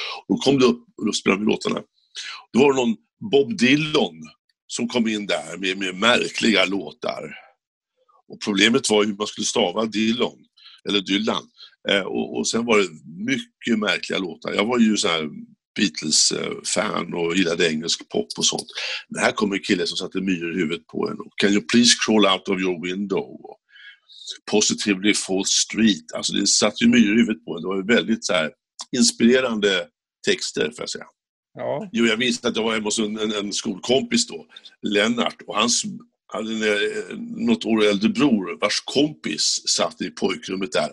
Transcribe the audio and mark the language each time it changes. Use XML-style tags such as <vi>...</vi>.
<sv>Och då kom det upp och då spelade vi låtarna. Då var det någon Bob Dylan som kom in där med märkliga låtar. Och problemet var hur man skulle stava Dylan eller Dylan. Och sen var det mycket märkliga låtar. Jag var ju så här Beatles-fan och gillade engelsk pop och sånt. Men här kommer en kille som satte myror i huvudet på en.</sv> <en>Can you please crawl out of your window? Positively false street.</en> <sv>Alltså det satte ju myror i huvudet på en. Det var väldigt så här inspirerande texter för att säga. Ja. Jo, jag visste att jag var hemma hos en skolkompis då, Lennart. Och han hade något år äldre bror vars kompis satt i pojkrummet där.</sv>